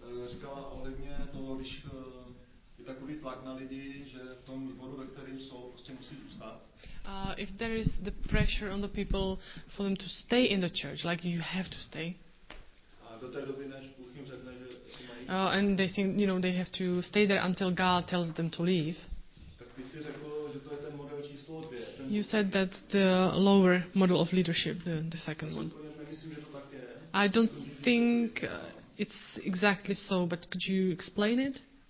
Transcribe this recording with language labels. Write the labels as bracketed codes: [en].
[cs] Říkala ohledně toho, když je takový tlak na lidi, že v tom zboru, ve kterém jsou, prostě musí zůstat. [en] If there is the pressure on the people for them to stay in the church, like you have to stay. [cs] A do té doby, než Bůh jim řekne, že mají. [en] And they think, you know, they have to stay there until God tells them to leave. [cs] Tak ty jsi řekl, že to je ten model číslo 2. [en] You said that the lower model of leadership, the second one. I don't think it's exactly so, but could you explain it?